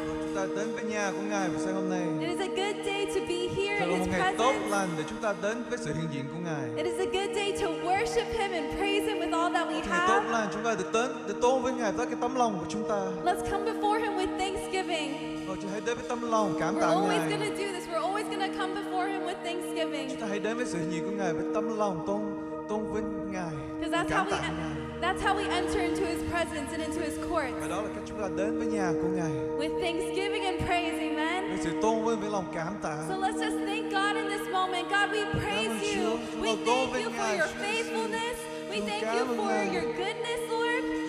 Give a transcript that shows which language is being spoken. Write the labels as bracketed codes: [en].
[vi] Chúng ta đến với nhà của Ngài vào sáng hôm nay. [en] It is a good day to be here in His [vi] Thật là một ngày tốt lành để chúng ta đến với sự hiện diện của Ngài. [en] It is a good day to worship Him and praise Him with all that we have. [vi] Tốt lành chúng ta được đến để tôn với Ngài với cái tấm lòng của chúng ta. [en] Let's come before Him with thanksgiving. [vi] Chúng ta hãy đến với tấm lòng cảm tạ [en] Ngài. We're always going to do this. We're always going to come before Him with thanksgiving. [vi] Chúng ta hãy đến với sự hiện diện của Ngài với tấm lòng tôn vinh Ngài. [en] Because that's how we enter into His presence and into His courts. [vi] Và đó là cách chúng ta đến với nhà của Ngài. [en] With thanksgiving and praise, amen. [vi] Với sự tôn vinh với lòng cảm tạ. [en] So let's just thank God in this moment. God, we praise you. We thank you for your faithfulness. We thank you for your goodness, Lord.